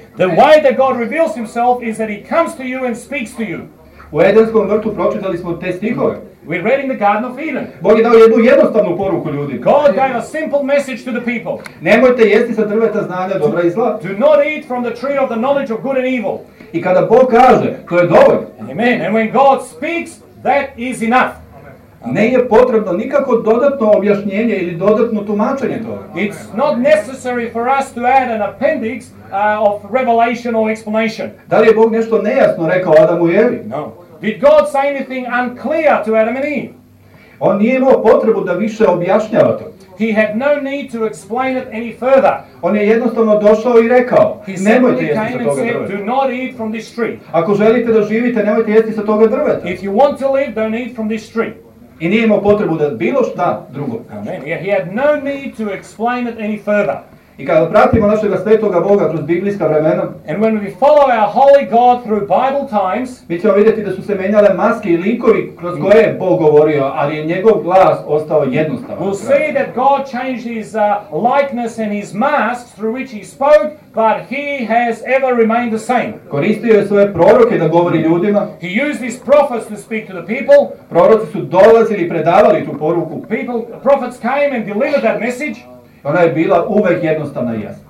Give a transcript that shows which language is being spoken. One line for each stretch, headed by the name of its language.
English: The way that God reveals himself is that he comes to you and speaks to you.
Serbian: U Edenskom vrtu pročitali smo te stihove.
English: We read in the Garden of Eden.
Serbian: Bog je dao jednu jednostavnu poruku ljudima.
English: God gave a simple message to the people.
Serbian: Nemojte jesti sa drveta znanja dobra i zla.
English: Do not eat from the tree of the knowledge of good and evil.
Serbian: I kada Bog kaže, to je dovoljno.
English: Amen. And when God speaks, that is enough.
Serbian: Ne je potrebno nikako dodatno objašnjenje ili dodatno tumačenje toga.
English: It's not necessary for us to add an appendix of revelation or explanation.
Serbian: Da li je Bog nešto nejasno rekao Adamu i Evi?
English: No. Did God say anything unclear to Adam and Eve?
Serbian: On nije imao potrebu da više objašnjava to.
English: He had no need to explain it any further.
Serbian: On je jednostavno došao i rekao, nemojte jesti sa toga drveta.
English: Said, do not eat from this tree.
Serbian: Ako želite da živite, nemojte jesti sa toga drveta.
English: If you want to live, don't eat from this tree.
Serbian: I nije imao potrebu da bilo šta drugo.
English: Amen. He had no need to explain it any further.
Serbian: I kada pratimo našeg svetoga Boga kroz biblijska vremena,
English: and when we follow our holy God through Bible times,
Serbian: mi ćemo vidjeti da su se menjale maske i likovi kroz koje je Bog govorio, ali je njegov glas ostao jednostavan.
English: We'll see that God changed his likeness and his mask through which he spoke, but he has ever remained the same.
Serbian: Koristio je svoje proroke da govori ljudima.
English: He used his prophets to speak to the people.
Serbian: Proroci su dolazili i predavali tu poruku.
English: People, prophets came and delivered that message.
Serbian: Ona je bila uvek jednostavna i jasna.